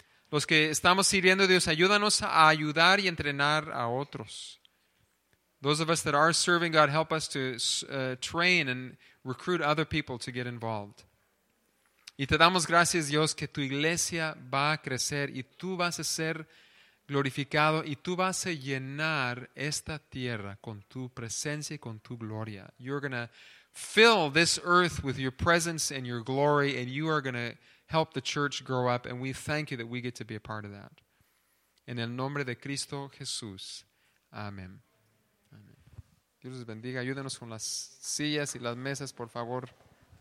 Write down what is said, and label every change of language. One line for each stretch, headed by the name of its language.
Spanish: Los que estamos sirviendo a Dios, ayúdanos a ayudar y entrenar a otros.
English: Those of us that are serving, God, help us to train and recruit other people to get involved.
Spanish: Y te damos gracias, Dios, que tu iglesia va a crecer y tú vas a ser glorificado y tú vas a llenar esta tierra con tu presencia y con tu gloria.
English: You're going to fill this earth with your presence and your glory and you are going to help the church grow up, and we thank you that we get to be a part of that.
Spanish: En el nombre de Cristo Jesús. Amén. Dios les bendiga. Ayúdenos con las sillas y las mesas, por favor.